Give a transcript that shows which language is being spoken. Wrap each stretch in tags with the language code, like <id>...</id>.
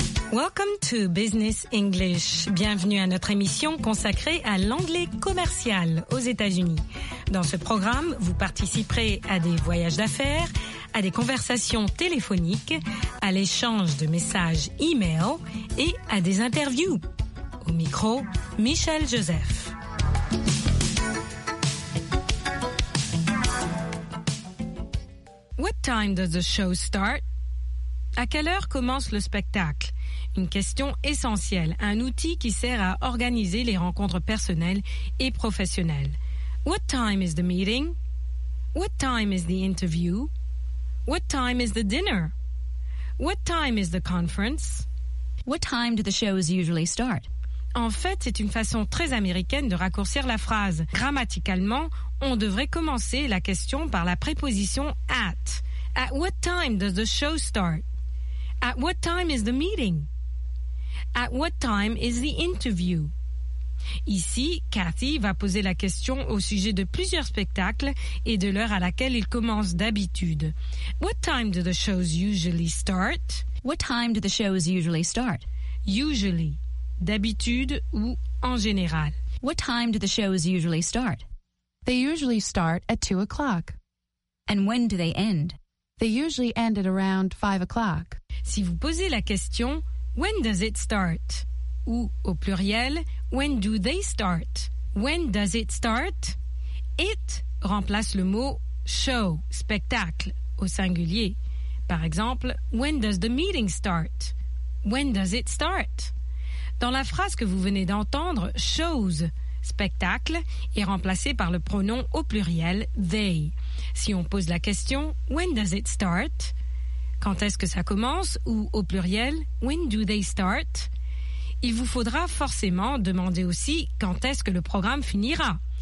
<en>Welcome to Business English.</en> <fr>Bienvenue à notre émission consacrée à l'anglais commercial aux États-Unis. Dans ce programme, vous participerez à des voyages d'affaires, à des conversations téléphoniques, à l'échange de messages e-mail et à des interviews. Au micro, Michel Joseph.</fr> <en>What time does the show start?</en> <fr>À quelle heure commence le spectacle? Une question essentielle, un outil qui sert à organiser les rencontres personnelles et professionnelles.</fr> <en>What time is the meeting? What time is the interview? What time is the dinner? What time is the conference? What time do the shows usually start?</en> <fr>En fait, c'est une façon très américaine de raccourcir la phrase. Grammaticalement, on devrait commencer la question par la préposition at.</fr> <en>At what time does the show start? At what time is the meeting? At what time is the interview?</en> <fr>Ici, Cathy va poser la question au sujet de plusieurs spectacles et de l'heure à laquelle ils commencent d'habitude.</fr> <en>What time do the shows usually start? What time do the shows usually start?</en> <fr>Usually, d'habitude ou en général.</fr> <en>What time do the shows usually start? They usually start at 2 o'clock. And when do they end? They usually end at around 5 o'clock.</en> <fr>Si vous posez la question,</fr> <en>when does it start?</en> <fr>Ou au pluriel,</fr> <en>when do they start? When does it start?</en> <fr>It remplace le mot show, spectacle, au singulier. Par exemple,</fr> <en>when does the meeting start? When does it start?</en> <fr>Dans la phrase que vous venez d'entendre, shows, spectacle, est remplacé par le pronom au pluriel, they. Si on pose la question,</fr> <en>when does it start?</en> <fr>Quand est-ce que ça commence? Ou au pluriel,</fr> <en>when do they start?</en> <fr>Il vous faudra forcément demander aussi quand est-ce que le programme finira.</fr>